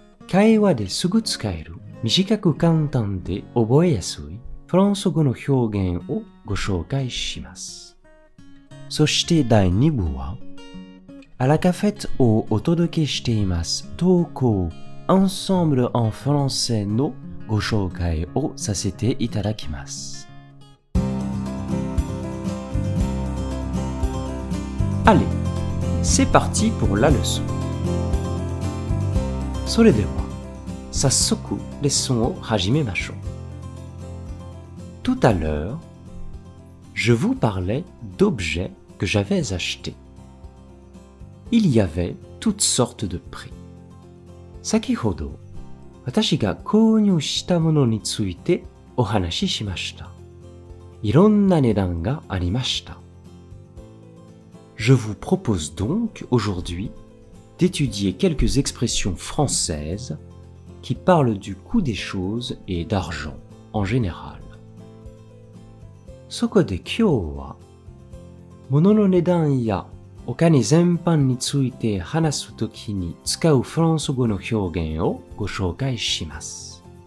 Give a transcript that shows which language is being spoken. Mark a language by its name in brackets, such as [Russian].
[Japanese] 会話ですぐ使える短く簡単で覚えやすいフランス語の表現をご紹介します。そして第二部はアラカフェットをお届けしています投稿Ensemble en français のご紹介をさせていただきます。 [French] Allez, c'est parti pour la leçon. [Japanese] それでは、早速レッスンを始めましょう。 [French] Tout à l'heure, je vous parlais d'objets que j'avais achetés. Il y avait toutes sortes de prix. [Japanese] 先ほど、私が購入したものについてお話ししました。いろんな値段がありました。 [French] Je vous propose donc aujourd'hui d'étudier quelques expressions françaises qui parlent du coût des choses et d'argent en général. [Japanese] そこで今日は、物の値段やお金全般について話すときに使うフランス語の表現をご紹介します。